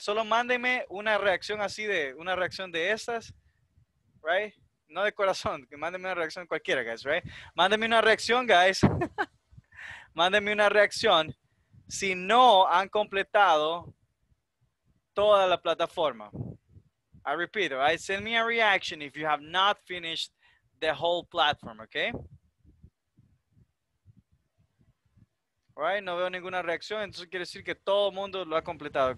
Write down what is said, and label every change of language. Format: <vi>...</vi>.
<es>Solo mándenme una reacción de estas, right? No de corazón, que mándenme una reacción cualquiera, guys, right? Mándenme una reacción, guys. Mándenme una reacción si no han completado toda la plataforma.</es> <en>I repeat, right? Send me a reaction if you have not finished the whole platform, okay?</en> <es>All right, no veo ninguna reacción, entonces quiere decir que todo el mundo lo ha completado.</es>